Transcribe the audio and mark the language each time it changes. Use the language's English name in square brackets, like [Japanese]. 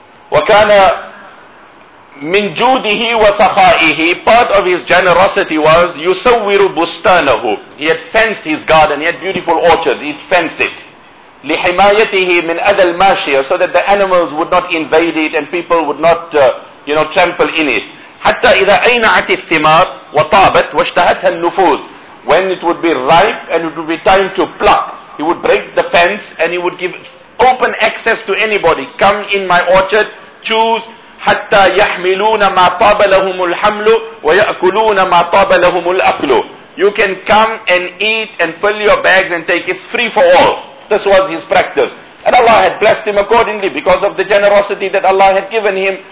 [Arabic] وكان من جوده وسخائه. [English] Part of his generosity was [Arabic] يصور بستانه. [English] He had fenced his garden, he had beautiful orchards, he fenced it. [Arabic] لحمايته من أذى الماشية, [English] so that the animals would not invade it and people would not trample in it. [Arabic] حتى إذا أينعت الثمار وطابت واشتهتها النفوس. [English] When it would be ripe and it would be time to pluck, he would break the fence and he would give open access to anybody. Come in my orchard, choose. [Arabic] حتى يحملون ما طاب لهم الحمل ويأكلون ما طاب لهم الأكل. [English] You can come and eat and fill your bags and take. It's free for all. This was his practice. And Allah had blessed him accordingly because of the generosity that Allah had given him.